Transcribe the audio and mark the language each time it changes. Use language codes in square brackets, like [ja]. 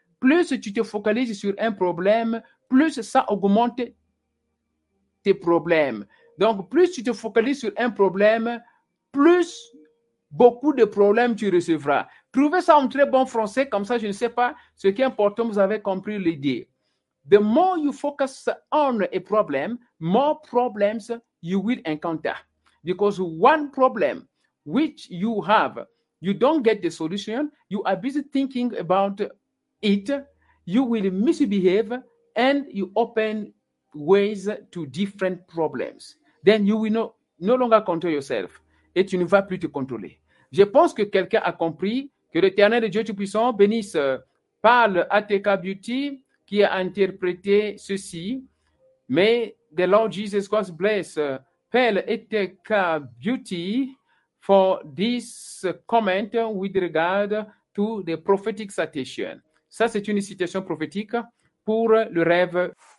[fr] Plus tu te focalises sur un problème, plus ça augmente tes problèmes. Donc, plus tu te focalises sur un problème, plus beaucoup de problèmes tu recevras. Trouvez ça en très bon français, comme ça, je ne sais pas ce qui est important, vous avez compris l'idée. [en] The more you focus on a problem, more problems you will encounter. Because one problem which you have, you don't get the solution, you are busy thinking about it, you will misbehave and you open ways to different problems. Then you will no longer control yourself [fr] et tu ne vas plus te contrôler. Je pense que quelqu'un a compris, que l'Éternel Dieu Tout-Puissant bénisse, parle à TK Beauty qui a interprété ceci. [en] May the Lord Jesus Christ bless Pearl TK Beauty for this comment with regard to the prophetic citation. [fr] Ça, c'est une citation prophétique pour le rêve.